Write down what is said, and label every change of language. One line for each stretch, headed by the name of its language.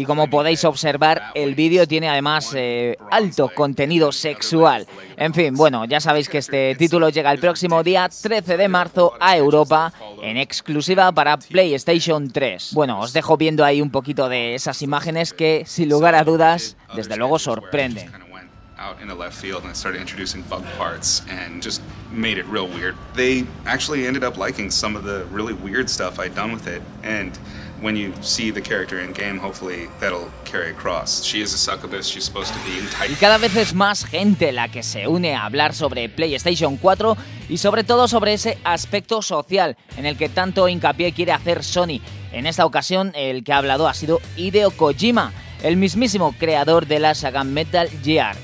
Spanish: Y como podéis observar, el vídeo tiene además alto contenido sexual. En fin, bueno, ya sabéis que este título llega el próximo día 13 de marzo a Europa en exclusiva para PlayStation 3. Bueno, os dejo viendo ahí un poquito de esas imágenes que, sin lugar a dudas, desde luego sorprenden.
English: Out in the left field and started introducing bug parts and just made it real weird. They actually ended up liking some of the really weird stuff I'd done with it. And when you see the character in game, hopefully that'll carry across. She is a succubus, she's supposed to be in tight.
Spanish: Y cada vez es más gente la que se une a hablar sobre PlayStation 4 y sobre todo sobre ese aspecto social en el que tanto hincapié quiere hacer Sony. En esta ocasión el que ha hablado ha sido Hideo Kojima, el mismísimo creador de la saga Metal Gear.